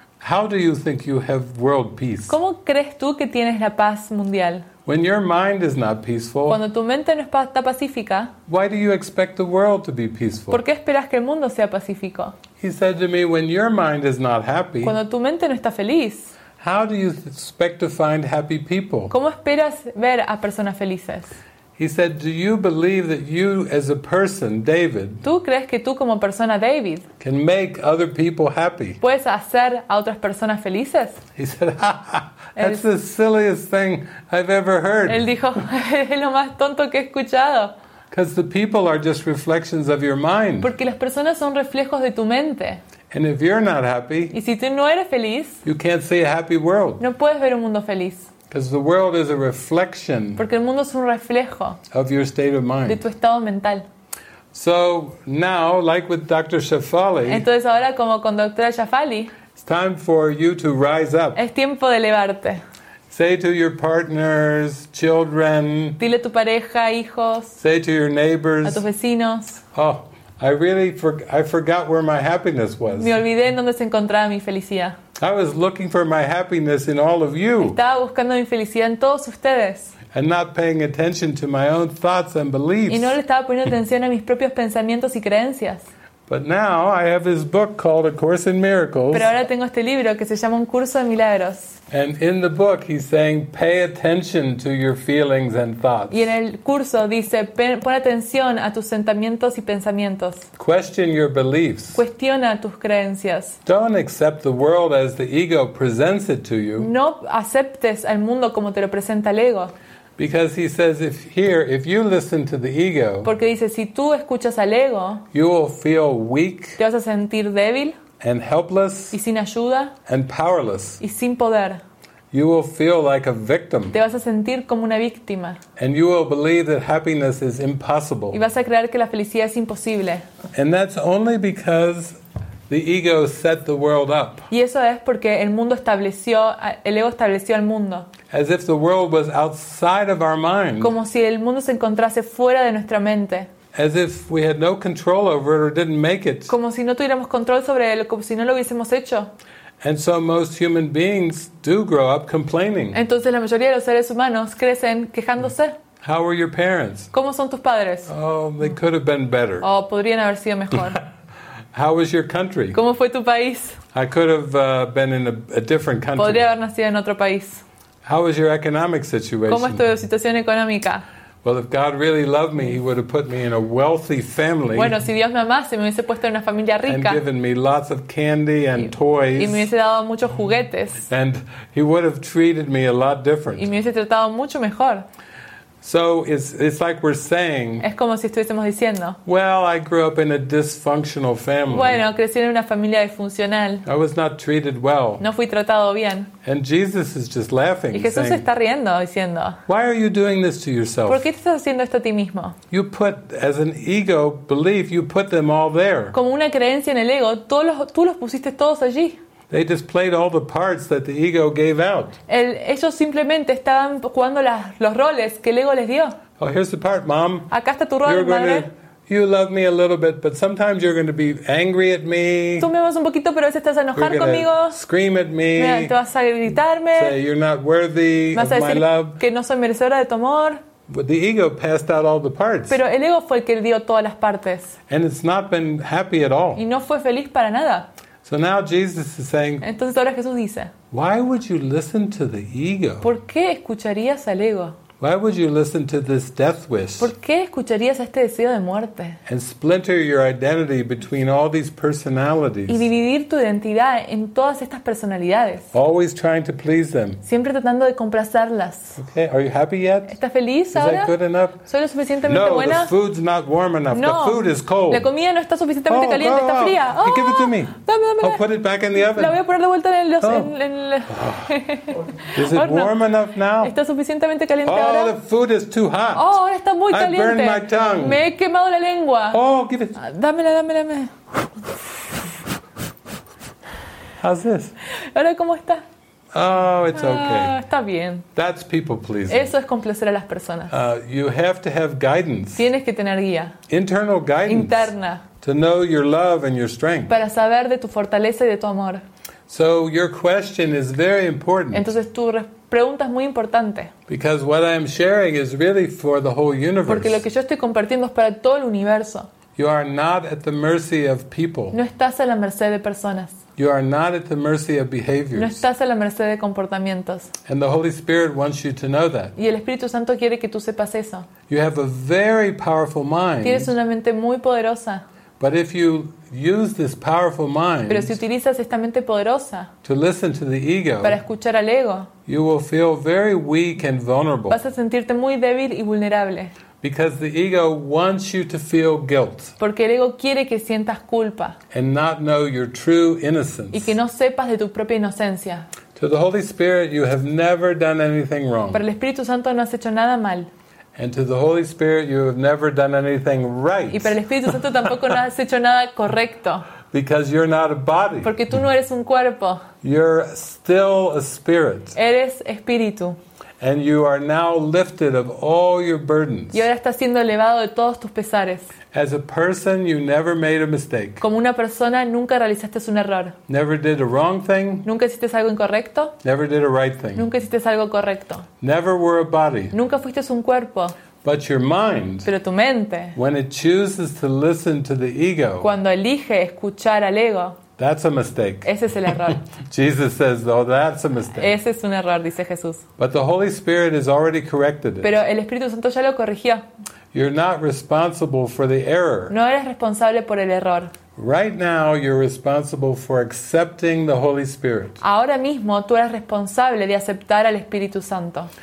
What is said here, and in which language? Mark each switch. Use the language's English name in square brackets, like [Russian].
[English] How do you think you have world peace? [Spanish] ¿Cómo crees tú que tienes la paz mundial? [English] When your mind is not peaceful, [Spanish] cuando tu mente no está pacífica, [English] why do you expect the world to be peaceful? [Spanish] ¿Por qué esperas que el mundo sea pacífico? [English] He said to me, "When your mind is not happy, [Spanish] cuando tu mente no está feliz, [English] how do you expect to find happy people?" [Spanish] ¿Cómo esperas ver a personas felices? [English] He said, "Do you believe that you, as a person, David, [Spanish] ¿tú crees que tú como persona David, [English] can make other people happy?" [Spanish] ¿Puedes hacer a otras personas felices? [English] He said, "That's the silliest thing I've ever heard." [Spanish] Él dijo, es lo más tonto que he escuchado. [English] Because the people are just reflections of your mind. [Spanish] Porque las personas son reflejos de tu mente. [English] And if you're not happy, [Spanish] y si tú no eres feliz, [English] you can't see a happy world. [Spanish] No puedes ver un mundo feliz. [English] Because the world is a reflection. [Spanish] Porque el mundo es un reflejo. [English] Of your state of mind. [Spanish] De tu estado mental. [English] So now, like with Dr. Shafali. [Spanish] Entonces ahora como con Dra. Shafali. [English] It's time for you to rise up. [Spanish] Es tiempo de elevarte. [English] Say to your partners, children. [Spanish] Dile a tu pareja, hijos. [English] Say to your neighbors. [Spanish] A tus vecinos. [English] Oh, I forgot where my happiness was. [Spanish] Me olvidé en dónde se encontraba mi felicidad. [English] I was looking for my happiness in all of you. [Spanish] Estaba buscando mi felicidad en todos ustedes. [English] And not paying attention to my own thoughts and beliefs. [Spanish] Y no le estaba poniendo atención a mis propios pensamientos y creencias. [English] But now I have this book called A Course in Miracles. [Spanish] Pero ahora tengo este libro que se llama Un Curso de Milagros. [English] And in the book he's saying, pay attention to your feelings and thoughts. [Spanish] Y en el curso dice, pon atención a tus sentimientos y pensamientos. [English] Question your beliefs. [Spanish] Cuestiona tus creencias. [English] Don't accept the world as the ego presents it to you. [Spanish] No aceptes al mundo como te lo presenta el ego. [English] Because he says, if you listen to the ego, [Spanish] porque dice, si tú escuchas al ego, [English] you will feel weak, [Spanish] te vas a sentir débil, [English] and helpless, [Spanish] y sin ayuda, [English] and powerless, [Spanish] y sin poder. [English] You will feel like a victim, [Spanish] te vas a sentir como una víctima, [English] and you will believe that happiness is impossible, [Spanish] y vas a creer que la felicidad es imposible. [English] And that's only because the ego set the world up. [Spanish] Y eso es porque el ego estableció al mundo. [English] As if the world was outside of our mind. [Spanish] Como si el mundo se encontrase fuera de nuestra mente. [English] As if we had no control over it or didn't make it. [Spanish] Como si no tuviéramos control sobre él, como si no lo hubiésemos hecho. [English] And so most human beings do grow up complaining. [Spanish] Entonces la mayoría de los seres humanos crecen quejándose. [English] How were your parents? [Spanish] ¿Cómo son tus padres? [English] Oh, they could have been better. [Spanish] Oh, podrían haber sido mejor. [English] How was your country? [Spanish] ¿Cómo fue tu país? [English] I could have been in a different country. [Spanish] Podría haber nacido en otro país. [English] How was your economic situation? [Spanish] ¿Cómo es tu situación económica? [English] Well, if God really loved me, he would have put me in a wealthy family. [Spanish] Bueno, si Dios me amase, me hubiese puesto en una familia rica. [English] And given me lots of candy and toys. [Spanish] Y me hubiese dado muchos juguetes. [English] And he would have treated me a lot different. [Spanish] Y me hubiese tratado mucho mejor. [English] So it's like we're saying. [Spanish] Es como si estuviésemos diciendo. [English] Well, I grew up in a dysfunctional family. [Spanish] Bueno, crecí en una familia disfuncional. [English] I was not treated well. [Spanish] No fui tratado bien. [English] And Jesus is just laughing. [Spanish] Y Jesús [English] saying, [Spanish] está riendo diciendo. [English] Why are you doing this to yourself? [Spanish] ¿Por qué estás haciendo esto a ti mismo? [English] You put as an ego belief, you put them all there. [Spanish] Como una creencia en el ego, tú los pusiste todos allí. [English] They just played all the parts that the ego gave out. [Spanish] Ellos simplemente estaban jugando los roles que el ego les dio. [English] Oh, here's the part, Mom. [Spanish] Acá está tu rol, [English] you're [Spanish] madre. [English] You love me a little bit, but sometimes you're going to be angry at me. [Spanish] Tú me amas un poquito, pero a veces estás a enojar conmigo. [English] Scream at me. [Spanish] Mira, te vas a gritarme. [English] Say you're not worthy [Spanish] vas [English] of my love. [Spanish] Que no soy merecedora de tu amor. [English] But the ego passed out all the parts. [Spanish] Pero el ego fue el que dio todas las partes. [English] And it's not been happy at all. [Spanish] Y no fue feliz para nada. [English] So now Jesus is saying, [Spanish] entonces ahora Jesús dice, [English] why would you listen to the ego? [Spanish] ¿Por qué escucharías al ego? [English] Why would you listen to this death wish? [Spanish] ¿Por qué escucharías este deseo de muerte? [English] And splinter your identity between all these personalities. [Spanish] Y dividir tu identidad en todas estas personalidades. [English] Always trying to please them. [Spanish] Siempre tratando de complacerlas. [English] Okay, are you happy yet? [Spanish] ¿Estás feliz ahora? [English] Is that good enough? [Spanish] ¿Soy lo suficientemente buena? [English] No, the food's not warm enough. No. The food is cold. [Spanish] La comida no está suficientemente caliente, está fría. [English] Oh, give it to me. [Spanish] Dame. [English] I'll put it back in the oven. [Spanish] La voy a poner de vuelta en el horno. [English] Is it warm enough now? [Spanish] ¿Está suficientemente caliente? [English] Oh, the food is too hot. [Spanish] Oh, ahora está muy caliente. [English] I burned my tongue. [Spanish] Me he quemado la lengua. [English] Oh, give it. [Spanish] Dame. [English] How's this? [Spanish] ¿Ahora cómo está? [English] Oh, it's okay. [Spanish] Está bien. [English] That's people pleasing. [Spanish] Eso es complacer a las personas. [English] You have to have guidance. [Spanish] Tienes que tener guía. [English] Internal guidance. [Spanish] Interna. [English] To know your love and your strength. [Spanish] Para saber de tu fortaleza y de tu amor. [English] So your question is very important. [Spanish] Entonces tu pregunta es muy importante. [English] Because what I am sharing is really for the whole universe. [Spanish] Porque lo que yo estoy compartiendo es para todo el universo. [English] You are not at the mercy of people. [Spanish] No estás a la merced de personas. [English] You are not at the mercy of behaviors. [Spanish] No estás a la merced de comportamientos. [English] And the Holy Spirit wants you to know that. [Spanish] Y el Espíritu Santo quiere que tú sepas eso. [English] You have a very powerful mind. [Spanish] Tienes una mente muy poderosa. [English] But if you use this powerful mind, [Spanish] pero si utilizas esta mente poderosa, [English] to listen to the ego, [Spanish] para escuchar al ego, [English] you will feel very weak and vulnerable. [Spanish] Vas a sentirte muy débil y vulnerable. [English] Because the ego wants you to feel guilt. [Spanish] Porque el ego quiere que sientas culpa. [English] And not know your true innocence. [Spanish] Y que no sepas de tu propia inocencia. [English] To the Holy Spirit, you have never done anything wrong. [Spanish] Para el Espíritu Santo no has hecho nada mal. [English] And to the Holy Spirit, you have never done anything right. [Spanish] Y para el Espíritu Santo tampoco no has hecho nada correcto. [English] Because you're not a body. [Spanish] Porque tú no eres un cuerpo. [English] You're still a spirit. [Spanish] Eres espíritu. [English] And you are now lifted of all your burdens. [Spanish] Y ahora estás siendo elevado de todos tus pesares. [English] As a person, you never made a mistake. [Spanish] Como una persona, nunca realizaste un error. [English] Never did a wrong thing. [Spanish] Nunca hiciste algo incorrecto. [English] Never did a right thing. [Spanish] Nunca hiciste algo correcto. [English] Never were a body. [Spanish] Nunca fuiste un cuerpo. [English] But your mind, [Spanish] pero tu mente, [English] when it chooses to listen to the ego, [Spanish] cuando elige escuchar al ego, [English] that's a mistake. [Spanish] Ese es el error. [English] Jesus says, "Oh, that's a mistake." [Spanish] Ese es un error, dice Jesús. [English] But the Holy Spirit has already corrected it. [Spanish] Pero el Espíritu Santo ya lo corrigió. [English] You're not responsible for the error. [Spanish] No eres responsable por el error. [English] Right now, you're responsible for accepting the Holy Spirit. [Spanish] Ahora mismo, tú eres responsable de aceptar al Espíritu Santo.